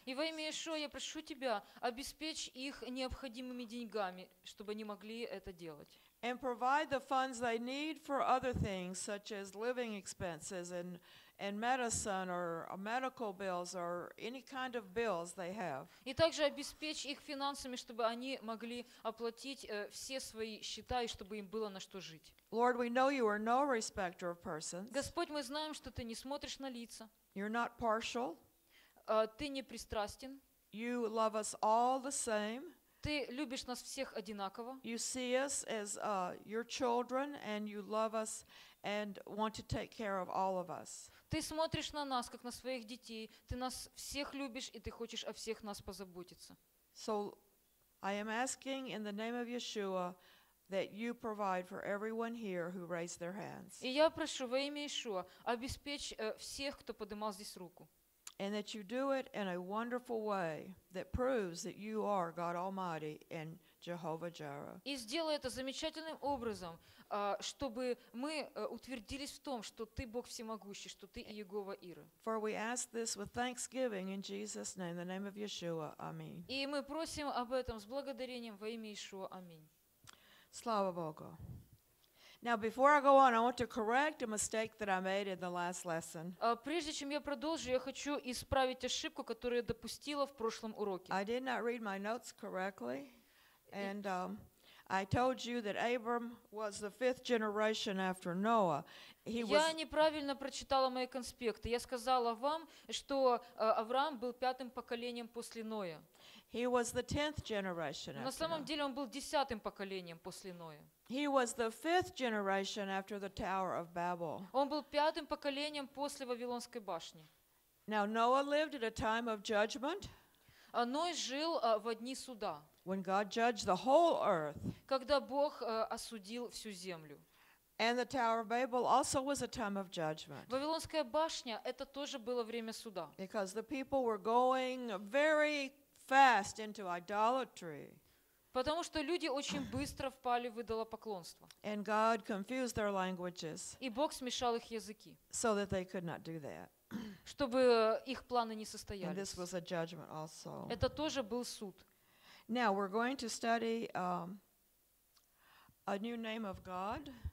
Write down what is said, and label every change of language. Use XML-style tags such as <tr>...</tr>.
<ru>И во имя Иешуа я прошу тебя, обеспечь их необходимыми деньгами, чтобы они могли это делать.</ru> <en>And provide the funds they need for other things, such as living expenses and medicine or medical bills or any kind of bills they have.</en> <ru>И также обеспечь их финансами, чтобы они могли оплатить все свои счета и чтобы им было на что жить.</ru> <en>Lord, we know you are no respecter of persons.</en> <ru>Господь, мы знаем, что ты не смотришь на лица.</ru> <en>You're not partial.</en> <ru>Ты не пристрастен.</ru> <en>You love us all the same.</en> <ru>Ты любишь нас всех одинаково.</ru> <en>You see us as your children, and you love us and want to take care of all of us.</en> <ru>Ты смотришь на нас как на своих детей. Ты нас всех любишь и ты хочешь о всех нас позаботиться.</ru> <en>So, I am asking in the name of Yeshua that you provide for everyone here who raised their hands.</en> <ru>И я прошу во имя Иешуа обеспечь всех, кто поднимал здесь руку.</ru> <en>And that you do it in a wonderful way that proves that you are God Almighty and Jehovah Jireh.</en> <ru>И сделай это замечательным образом, чтобы мы утвердились в том, что ты Бог всемогущий, что ты Иегова Ира.</ru> <en>For we ask this with thanksgiving in Jesus' name, in the name of Yeshua. Amen.</en> <ru>И мы просим об этом с благодарением во имя Иешуа. Аминь. Слава Богу.</ru> <en>Now, before I go on, I want to correct a mistake that I made in the last lesson.</en> <ru>Прежде чем я продолжу, я хочу исправить ошибку, которую я допустила в прошлом уроке.</ru> <en>I did not read my notes correctly, and I told you that Abram was the fifth generation after Noah.</en> <ru>Я неправильно прочитала мои конспекты. Я сказала вам, что Авраам был пятым поколением после Ноя.</ru> <en>He was the 10th generation after Noah.</en> <ru>На самом деле он был 10-м поколением после Ноя.</ru> <en>He was the 5th generation after the Tower of Babel.</en> <ru>Он был 5-м поколением после Вавилонской башни.</ru> <en>Now Noah lived at a time of judgment.</en> <ru>Ной жил в дни суда.</ru> <en>When God judged the whole earth.</en> <ru>Когда Бог осудил всю землю.</ru> <en>And the Tower of Babel also was a time of judgment.</en> <ru>Вавилонская башня это тоже было время суда.</ru> <en>Because the people were going very fast into idolatry.</en> <ru>Потому что люди очень быстро впали в идолопоклонство.</ru> <en>And God confused their languages.</en> <ru>И Бог смешал их языки.</ru> <en>So that they could not do that.</en> <ru>Чтобы их планы не состоялись.</ru> <en>And this was a judgment also.</en> <ru>Это тоже был суд.</ru> <en>Now we're going to study a new name of God.</en>